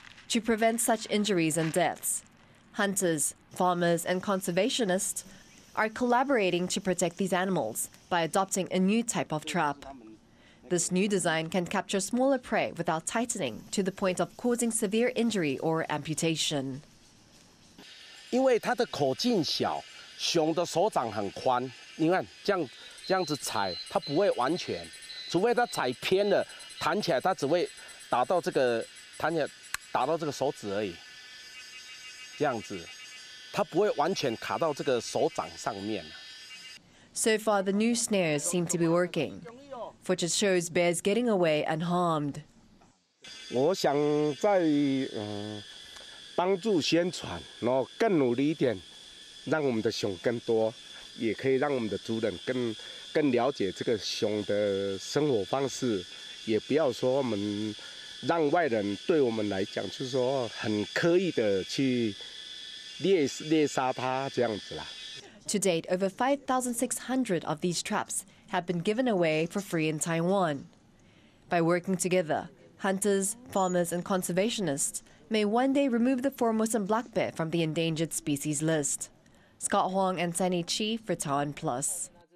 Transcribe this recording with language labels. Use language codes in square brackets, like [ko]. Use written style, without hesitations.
[en] To prevent such injuries and deaths, hunters, farmers and conservationists are collaborating to protect these animals by adopting a new type of trap. This new design can capture smaller prey without tightening to the point of causing severe injury or amputation. [zh] 因为它的口径小，熊的手掌很宽，你看这样这样子踩，它不会完全，除非它踩偏了，弹起来它只会打到这个弹起来打到这个手指而已，这样子，它不会完全卡到这个手掌上面。 [en] So far, the new snares seem to be working, which just shows bears getting away unharmed. [zh] 我想再帮助宣传，然后更努力一点，让我们的熊更多，也可以让我们的族人更了解这个熊的生活方式，也不要说我们让外人对我们来讲，就是说很刻意的去猎杀它这样子啦。 [en] To date, over 5,600 of these traps have been given away for free in Taiwan. By working together, hunters, farmers, and conservationists may one day remove the Formosan black bear from the endangered species list. Scott Huang and Sunny Chi for Taiwan Plus.